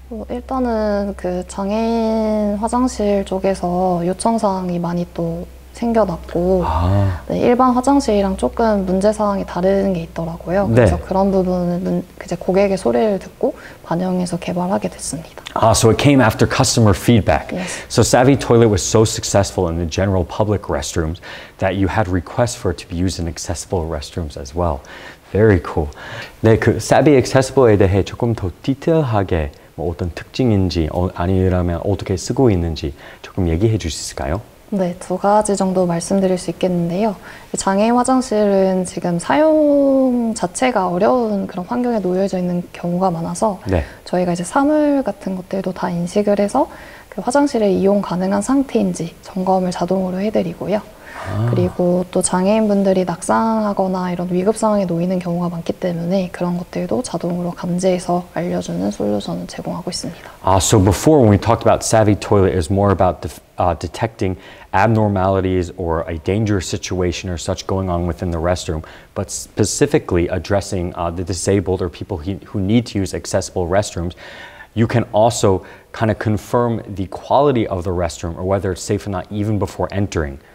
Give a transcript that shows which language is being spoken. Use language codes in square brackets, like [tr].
[ko] 일단은 그 장애인 화장실 쪽에서 요청사항이 많이 또 생겨났고 네, 일반 화장실이랑 조금 문제 사항이 다른 게 있더라고요. 그래서 네. 그런 부분은 이제 고객의 소리를 듣고 반영해서 개발하게 됐습니다. [en] Ah, so it came after customer feedback. Yes. So Savvy Toilet was so successful in the general public restrooms that you had requests for it to be used in accessible restrooms as well. Very cool. [ko] 네, 그 Savvy Accessible에 대해 조금 더 디테일하게 뭐 어떤 특징인지 아니라면 어떻게 쓰고 있는지 조금 얘기해 주실 수 있을까요? 네, 두 가지 정도 말씀드릴 수 있겠는데요. 장애인 화장실은 지금 사용 자체가 어려운 그런 환경에 놓여져 있는 경우가 많아서 네. 저희가 이제 사물 같은 것들도 다 인식을 해서 그 화장실을 이용 가능한 상태인지 점검을 자동으로 해드리고요. 그리고 또 장애인분들이 낙상하거나 이런 위급 상황에 놓이는 경우가 많기 때문에 그런 것들도 자동으로 감지해서 알려주는 솔루션을 제공하고 있습니다. [en] So before when we talked about Savvy Toilet, it was more about detecting abnormalities or a dangerous situation or such going on within the restroom, but specifically addressing the disabled or people who need to use accessible restrooms. You can also kind of confirm the quality of the restroom or whether it's safe or not even before entering.